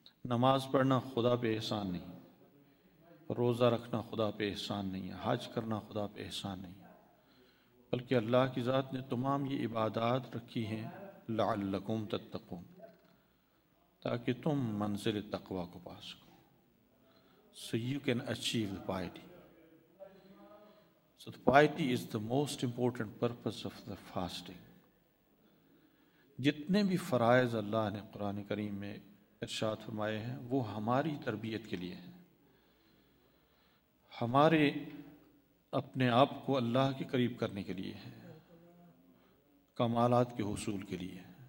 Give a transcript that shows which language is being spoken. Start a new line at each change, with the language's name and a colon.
Urdu: نماز پڑھنا خدا پہ احسان نہیں, روزہ رکھنا خدا پہ احسان نہیں, حج کرنا خدا پہ احسان نہیں, بلکہ اللہ کی ذات نے تمام یہ عبادات رکھی ہیں
Arabic: لعلکم تتقون,
Urdu: تاکہ تم منزل تقویٰ کو پا سکو.
English: So you can achieve the piety. So the piety is the most important purpose of the fasting.
Urdu: جتنے بھی فرائض اللہ نے قرآن کریم میں ارشاد فرمائے ہیں وہ ہماری تربیت کے لیے ہیں, ہمارے اپنے آپ کو اللہ کے قریب کرنے کے لیے ہیں, کمالات کے حصول کے لیے.